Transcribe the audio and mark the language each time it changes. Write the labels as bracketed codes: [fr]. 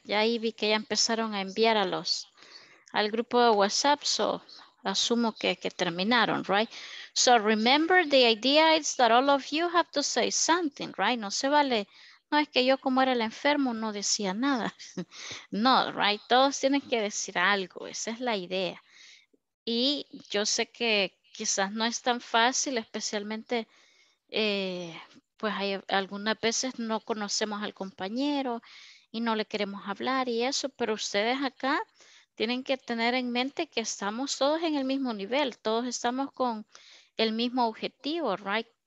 [es] Ya ahí vi que ya empezaron a enviar a los al grupo de WhatsApp, so asumo que terminaron, right? [en] So remember, the idea is that all of you have to say something, right? [es] No se vale. No es que yo, como era el enfermo, no decía nada. No, right? Todos tienen que decir algo. Esa es la idea. Y yo sé que quizás no es tan fácil, especialmente pues hay algunas veces no conocemos al compañero y no le queremos hablar y eso, pero ustedes acá tienen que tener en mente que estamos todos en el mismo nivel, todos estamos con el mismo objetivo, right?